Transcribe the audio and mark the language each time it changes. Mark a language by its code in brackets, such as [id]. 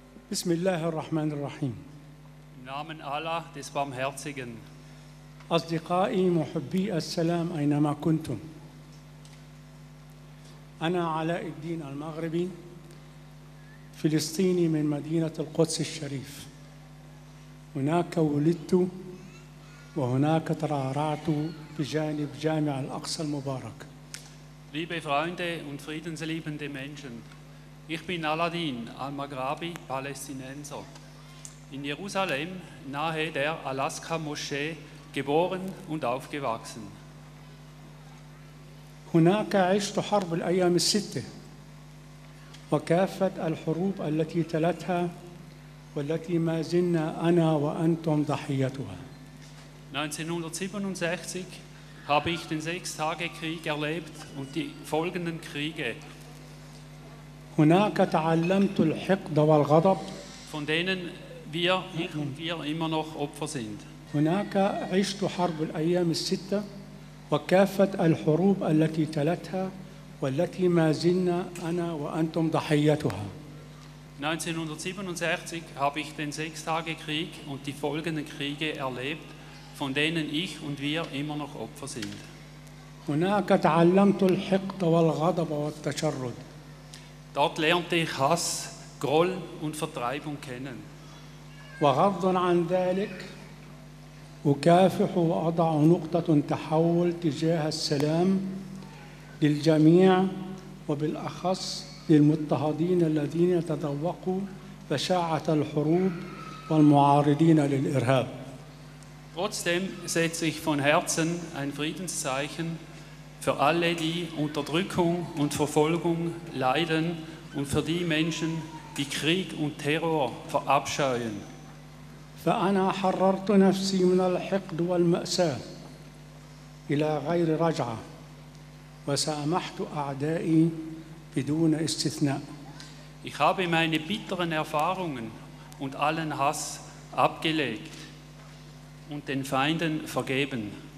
[ar] بسم الله الرحمن الرحيم. [de] Im Namen Allah des Barmherzigen. [ar] أصدقائي محبي السلام أينما كنتم. أنا علاء الدين المغربي فلسطيني من مدينة القدس الشريف. هناك ولدت وهناك ترعرعت بجانب جامع الأقصى المبارك. [de] Liebe Freunde und friedensliebende Menschen. Ich bin Aladin al-Maghrabi, Palästinenser, in Jerusalem, nahe der Al-Aqsa-Moschee, geboren und aufgewachsen. [ar] هناك عشت حرب الأيام الستة وكافة الحروب التي تلتها والتي ما زلنا أنا وأنتم ضحيتها. [de] 1967 habe ich den Sechstagekrieg erlebt und die folgenden Kriege. [ar] هناك تعلمت الحقد والغضب. [de] Von denen wir immer noch Opfer sind. [ar] هناك عشت حرب الأيام الستة وكافة الحروب التي تلتها والتي ما زلنا أنا وأنتم ضحيتها. [de] 1967 habe ich den Sechstagekrieg und die folgenden Kriege erlebt, von denen ich und wir immer noch Opfer sind. [ar] هناك تعلمت الحقد والغضب والتشرد. [de] Dort lernte ich Hass, Groll und Vertreibung kennen. [ar] وغض عن ذلك أكافح وأضع نقطة تحول تجاه السلام للجميع وبالأخص للمضطهدين الذين تذوقوا بشاعة الحروب والمعارضين للإرهاب. [de] Trotzdem setze ich von Herzen ein Friedenszeichen für alle, die Unterdrückung und Verfolgung leiden. Und für die Menschen, die Krieg und Terror verabscheuen. [ar] فأنا حررت نفسي من الحقد والمأساة إلى غير رجعة وسامحت أعدائي بدون استثناء. [de] Ich habe meine bitteren Erfahrungen und allen Hass abgelegt und den Feinden vergeben.